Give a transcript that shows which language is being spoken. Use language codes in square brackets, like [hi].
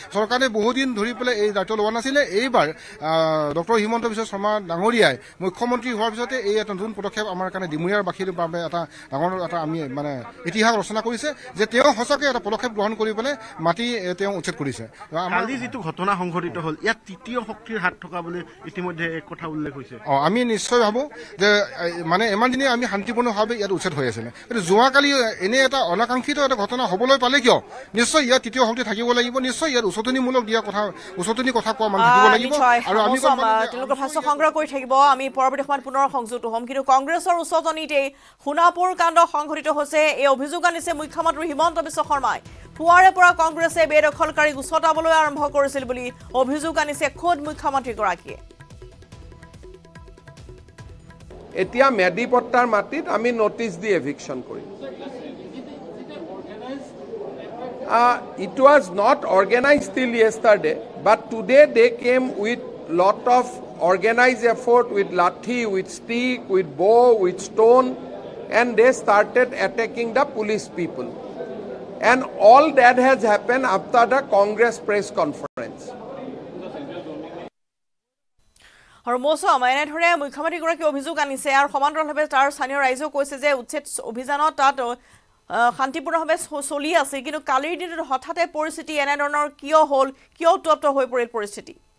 [as] চৰকাৰে বহুদিন ধৰি পেলাই এই দায়িত্ব লোৱা নাছিলে। এইবাৰ ডক্টৰ হিমন্ত বিশ্ব শৰ্মা ডাঙৰীয়াই মুখ্যমন্ত্ৰী হোৱাৰ পিছতে এই এটা নতুন পদক্ষেপ আমাৰ কাৰণে ডিমৰীয়াবাসীৰ বাবে এটা ডাঙৰ এটা আমি মানে ইতিহাস ৰচনা কৰিছে যে তেওঁ সঁচাকৈ এটা পদক্ষেপ গ্ৰহণ কৰি পেলাই মাটি তেওঁ উচ্ছেদ কৰিছে। আজি যিটো ঘটনা সংঘটিত হ'ল, ইয়াত তৃতীয় শক্তিৰ হাত থকা বুলি ইতিমধ্যে এক কথা উল্লেখ হৈছে। আমি নিশ্চয় ভাবোঁ যে মানে ইমান দিনে আমি শান্তিপূৰ্ণভাৱে ইয়াত উচ্ছেদ হৈ আছিলে, কিন্তু যোৱাকালি এনে এটা অনাকাংক্ষিত এটা ঘটনা হ'বলৈ পালে কিয়? নিশ্চয় ইয়াত তৃতীয় শক্তি থাকিব লাগিব, নিশ্চয় ইয়াত উচতনিমূলক দিয়া কথা উচতনি কথা কোৱা মানুহ থাকিব লাগিব আৰু আমি তেওঁলোকৰ ভাষ্য সংগ্ৰহ কৰি থাকিব। আমি পৰৱৰ্তী সময়ত পুনৰ সংযুক্ত হ'ম। কিন্তু কংগ্ৰেছৰ উচতনিতেই সোণাপুৰ কাণ্ড সংঘটিত হৈছে। এই অভিযোগ আনিছে মুখ্যমন্ত্ৰী হিমন্ত বিশ্ব শৰ্মাই। পুৱাৰে পৰা কংগ্ৰেছে বেদখলকাৰীক উচতাবলৈ আৰম্ভ কৰিছিল বুলি অভিযোগ আনিছে খোদ মুখ্যমন্ত্ৰীগৰাকীয়ে। এতিয়া মেডিপট্টাৰ মাটিত আমি নটিচ দি এভিকশ্যন কৰিম। [en] It was not organize till yesterday, but today they came with lot of organize effort, with lathi, with stick, with bow, with stone, and they started attacking the police people. And all that has happened after the Congress press conference. [as] আৰু মৌচুম এনেধৰণে মুখ্যমন্ত্ৰীগৰাকীয়ে অভিযোগ আনিছে আৰু সমান্তৰালভাৱে তাৰ স্থানীয় ৰাইজেও কৈছে যে উচ্ছেদ অভিযানত তাত শান্তিপূৰ্ণভাৱে চলি আছে, কিন্তু কালিৰ দিনত হঠাতে পৰিস্থিতি এনেধৰণৰ কিয় হ'ল, কিয় উত্তপ্ত হৈ পৰিল পৰিস্থিতি?